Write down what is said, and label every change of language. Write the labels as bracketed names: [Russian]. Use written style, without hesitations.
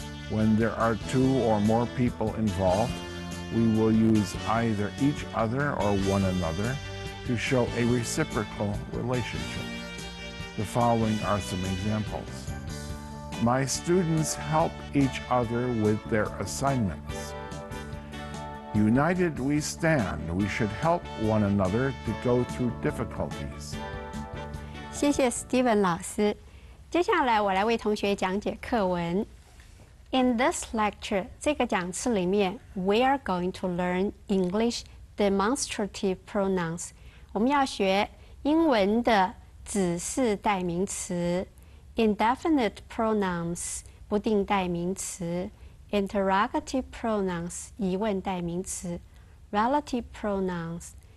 [English] When there are two or more people involved, we will use either each other or one another to show a reciprocal relationship. The following are some examples. My students help each other with their assignments. United we stand. We should help one another to go through difficulties. [Chinese] 谢谢 Steven 老师。接下来我来为同学讲解课文。 [English] In this lecture, [Chinese] 这个讲次里面 [English] we are going to learn English demonstrative pronouns. [Chinese] 我们要学英文的指示代名词 indefinite pronouns 不定代名词 interrogative pronouns 疑问代名词 relative pronouns